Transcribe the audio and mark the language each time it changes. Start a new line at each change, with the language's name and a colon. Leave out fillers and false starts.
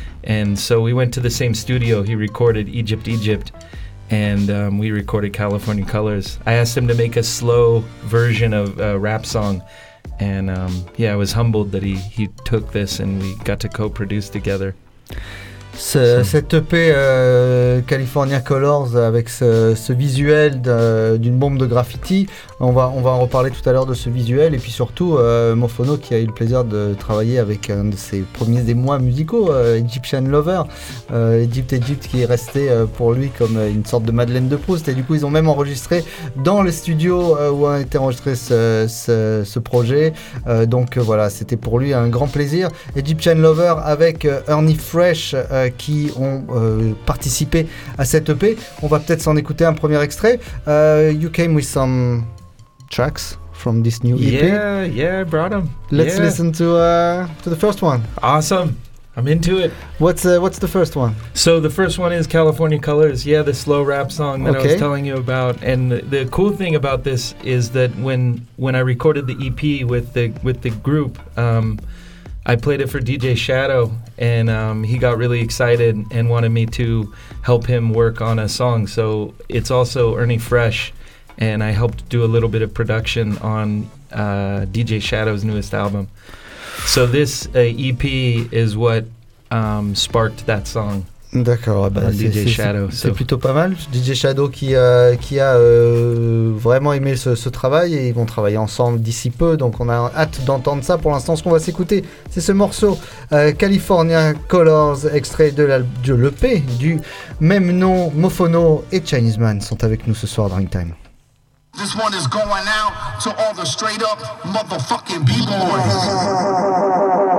English: And so we went to the same studio. He recorded Egypt, Egypt, and we recorded California Colors. I asked him to make a slow version of a rap song. And I was humbled that he took this and we got to co-produce together.
French: Cette EP California Colors avec ce visuel d'une bombe de graffiti, on va en reparler tout à l'heure de ce visuel, et puis surtout Mofono qui a eu le plaisir de travailler avec un de ses premiers émois musicaux, Egyptian Lover, Egypt Egypt, qui est resté pour lui comme une sorte de Madeleine de Proust. Et du coup ils ont même enregistré dans le studio où a été enregistré ce projet, donc voilà, c'était pour lui un grand plaisir. Egyptian Lover avec Ernie Fresh qui ont participé à cette EP. On va peut-être s'en écouter un premier extrait.
English: You came with some tracks from this new EP. Yeah, I brought them. Let's listen to the first one. Awesome, I'm into it. What's the first one? So the first one is California Colors. Yeah, the slow rap song that I was telling you about. And the cool thing about this is that when I recorded the EP with the group, I played it for DJ Shadow, and he got really excited and wanted me to help him work on a song. So it's also Ernie Fresh and I helped do a little bit of production on DJ Shadow's newest album. So this EP is what sparked that song.
French: D'accord, bah, c'est plutôt pas mal. DJ Shadow qui a vraiment aimé ce travail, et ils vont travailler ensemble d'ici peu, donc on a hâte d'entendre ça. Pour l'instant, ce qu'on va s'écouter, c'est ce morceau California Colors, extrait de l'EP du même nom. Mofono et Chinese Man sont avec nous ce soir dans Ring Time.
English: This one is going out to all the straight up motherfucking B-boys.